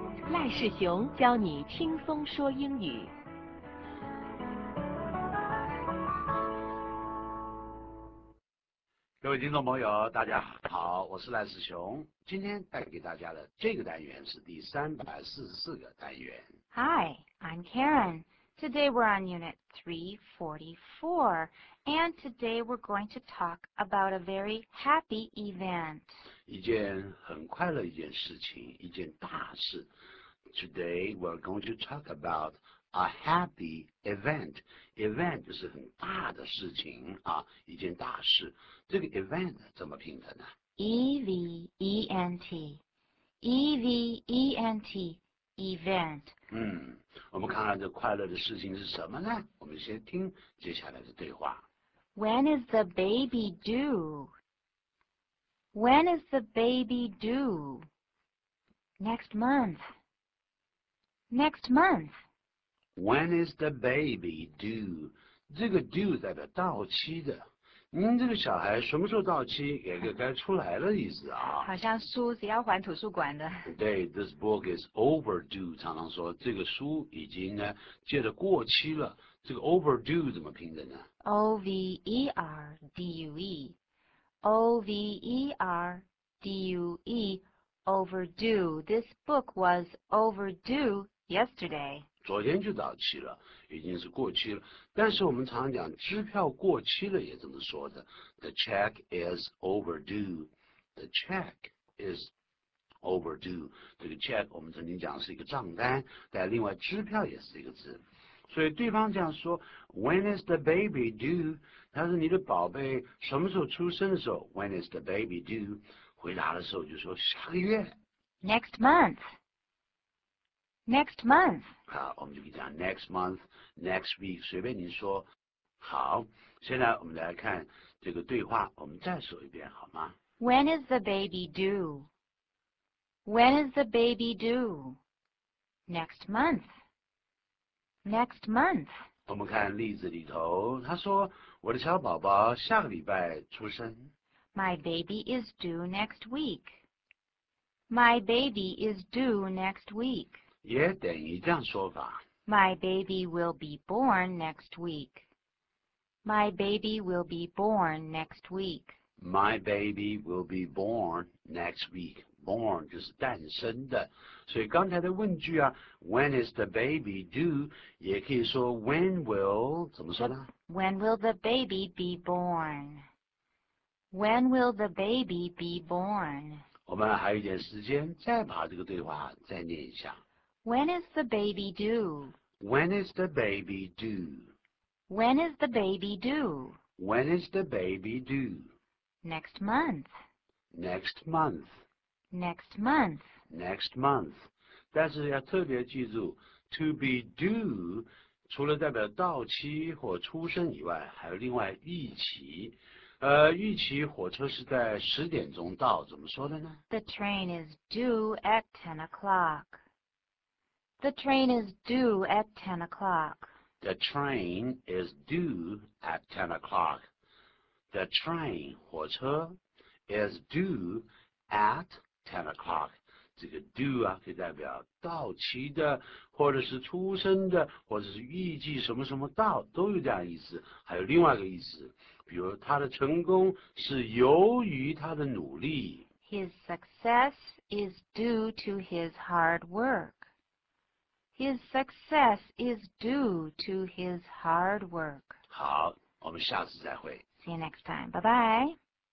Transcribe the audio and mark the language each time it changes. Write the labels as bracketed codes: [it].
[zh] 赖世雄教你轻松说英语。各位听众朋友，大家好，我是赖世雄。今天带给大家的这个单元是第344个单元。 [en] Hi, I'm Karen. Today we're on Unit 344, and today we're going to talk about a very happy event. [zh] 一件很快乐一件事情，一件大事。 [en] Today we're going to talk about a happy event. [zh] Event 就是很大的事情啊，一件大事。这个 event 怎么拼的呢 [en] ？Event. Event. Event. [zh] 我们看看这快乐的事情是什么呢？我们先听接下来的对话。 [en] When is the baby due? When is the baby due? Next month. Next month. When is the baby due? [zh] 这个 due 代表到期的。您这个小孩什么时候到期？也就该出来了意思啊。好像书是要还图书馆的。 [en] 对 ，this book is overdue。 [zh] 常常说这个书已经呢借得过期了。这个 overdue 怎么拼的呢 [en] ？O V E R D U E, O V E R D U E, overdue. This book was overdue yesterday. [zh] 昨天就到期了，已经是过期了。但是我们常讲支票过期了也这么说的 ， [en] the check is overdue. The check is overdue. [zh] 这个 check 我们曾经讲是一个账单，但另外支票也是一个字。所以对方这样说 ， [en] When is the baby due？ [zh] 他说你的宝贝什么时候出生的时候 ？ [en] When is the baby due？ [zh] 回答的时候就说下个月 [en] ，Next month。 Next month. [zh] 好，我们就可以讲 [en] next month, next week, [zh] 随便您说。好，现在我们来看这个对话，我们再说一遍好吗？ [en] When is the baby due? When is the baby due? Next month. Next month. [zh] 我们看例子里头，他说我的小宝宝下个礼拜出生。 [en] My baby is due next week. My baby is due next week. [zh] 也等于这样说法。 [en] My baby will be born next week. My baby will be born next week. My baby will be born next week. [zh] Born 就是诞生的。所以刚才的问句啊 ， [en] When is the baby due？ [zh] 也可以说 [en] When will [zh] 怎么说呢 [en] ？When will the baby be born？ When will the baby be born？ [zh] 我们还有一点时间，再把这个对话再念一下。 [en] When is the baby due? When is the baby due? When is the baby due? When is the baby due? Next month. Next month. Next month. Next month. [zh] 但是要特别记住 ， [en] to be due， [zh] 除了代表到期或出生以外，还有另外预期。预期火车是在十点钟到，怎么说的呢 [en] ？The train is due at 10 o'clock. The train is due at 10 o'clock. The train is due at 10 o'clock. The train, 火车, is due at 10 o'clock. [zh] 这个 due 啊，可以代表到期的，或者是出生的，或者是预计什么什么到，都有这样意思。还有另外一个意思，比如他的成功是由于他的努力。 [en] His success is due to his hard work. His success is due to his hard work. [zh] 好，我们下次再会。 [en] See you next time. Bye-bye.